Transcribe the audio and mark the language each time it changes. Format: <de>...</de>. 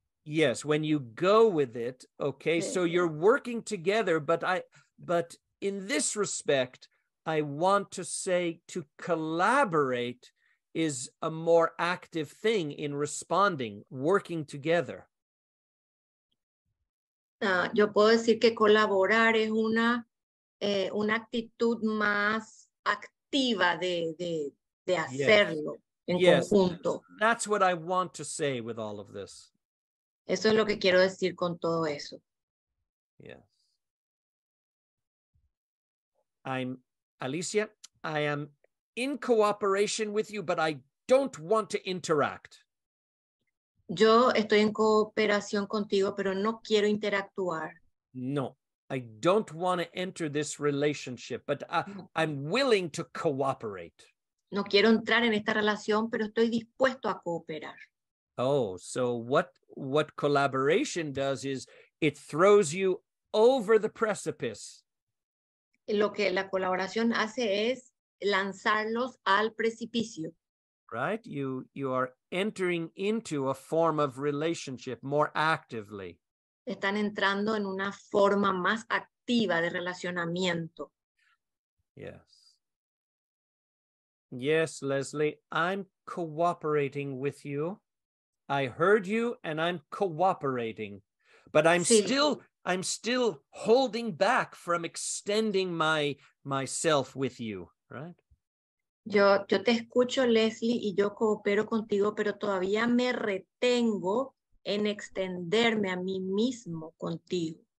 <en>Yes, when you go with it, okay, yeah, so you're working together, but in this respect, I want to say to collaborate is a more active thing in responding, working together.</en> <es>Yo puedo decir que colaborar es una actitud más activa de hacerlo, yes, en, yes, conjunto.</es> <en>That's what I want to say with all of this.</en> <es>Eso es lo que quiero decir con todo eso.</es> <en>Yes. I'm Alicia, I am in cooperation with you, but I don't want to interact.</en> <es>Yo estoy en cooperación contigo, pero no quiero interactuar.</es> <en>No, I don't want to enter this relationship, but I'm willing to cooperate.</en> <es>No quiero entrar en esta relación, pero estoy dispuesto a cooperar.</es> <en>Oh, so what collaboration does is it throws you over the precipice.</en> <es>Lo que la colaboración hace es lanzarlos al precipicio.</es> <en>Right? You are entering into a form of relationship more actively.</en> <es>Están entrando en una forma más activa de relacionamiento.</es> <en>Yes. Yes, Leslie, I'm cooperating with you. I heard you and I'm cooperating. But I'm, sí, still... I'm still holding back from extending myself with you, right?</en> <es>Yo te escucho, Leslie, y yo coopero contigo, pero todavía me retengo en extenderme a mí mismo contigo.</es>